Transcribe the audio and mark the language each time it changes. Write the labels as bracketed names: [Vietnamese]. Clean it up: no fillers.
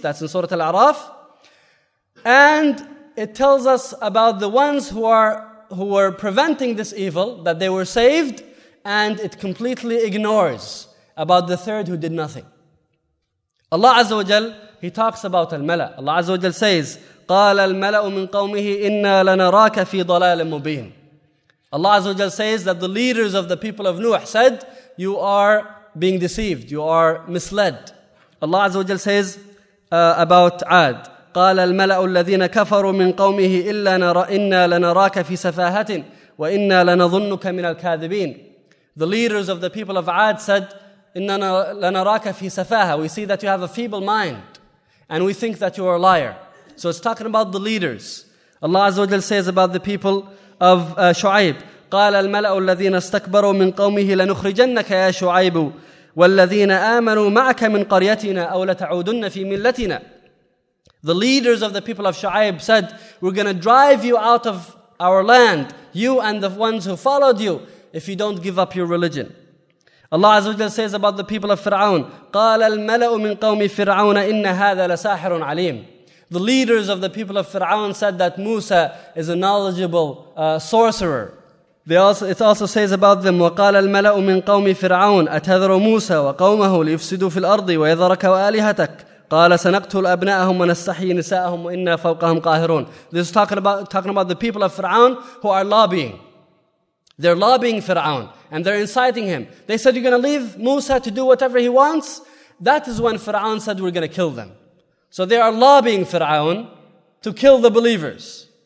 [English] That's in Surah Al-A'raf. And it tells us about the ones who were preventing this evil, that they were saved, and it completely ignores about the third who did nothing. Allah Azza wa Jal, He talks about al-mala. Allah Azza wa Jal says, [Arabic] قَالَ الْمَلَأُ مِنْ قَوْمِهِ إِنَّا لَنَرَاكَ فِي ضَلَالٍ مُبِينٍ. [English] Allah Azza wa Jal says that the leaders of the people of Nuh said, you are being deceived, you are misled. Allah Azza wa Jal says about Ad, [Arabic] قَالَ الْمَلَأُ الَّذِينَ كَفَرُوا مِنْ قَوْمِهِ إِنَّا لَنَرَاكَ فِي سَفَاهَةٍ وَإِنَّا لَنَظُنُّكَ مِنَ الْكَاذِبِينَ. [English] The leaders of the people of Ad said, [Arabic] إِنَّا لَنَرَاكَ فِي سَفَاهَةٍ. [English] We see that you have a feeble mind, and we think that you are a liar. So it's talking about the leaders. Allah Azza wa Jal says about the people of Shu'aib, [Arabic] قَالَ الْمَلَأُ الَّذِينَ اسْتَكْبَرُوا مِنْ قَوْمِهِ لَنُخْرِجَنَّكَ يَا شُعَيْبُ وَالَّذِينَ آمَنُوا مَعَكَ مِنْ قَرْيَتِنَا أَوْ لَتَعُودُنَّ فِي مِلَّتِنَا. [English] The leaders of the people of Shu'aib said, we're going to drive you out of our land, you and the ones who followed you, if you don't give up your religion. Allah Azza wa Jal says about the people of Fir'aun, [Arabic] قَالَ الْمَلَأُ مِنْ قَوْمِ فِرْعَوْنَ إِنَّ هَذَا لَسَاحِرٌ عَلِيمٌ. [English] The leaders of the people of Fir'aun said that Musa is a knowledgeable sorcerer. It also says about them, [Arabic] وَقَالَ الْمَلَأُ مِنْ قَوْمِ فِرْعَوْنَ أَتَذَرُ مُوسَى وَقَوْمَهُ لِيُفْسِدُوا فِي الْأَرْضِ وَيَذَرَكَ وَآلِهَتَكَ قَالَ سَنَقْتُلُ أَبْنَاءَهُمْ وَنَسْتَحْيِي نِسَاءَهُمْ وَإِنَّا فَوْقَهُمْ قَاهِرُونَ. [English] This is talking about the people of Fir'aun who are lobbying. They're lobbying Fir'aun and they're inciting him. They said, you're going to leave Musa to do whatever he wants? That is when Fir'aun said, we're going to kill them. So they are lobbying Fir'aun to kill the believers.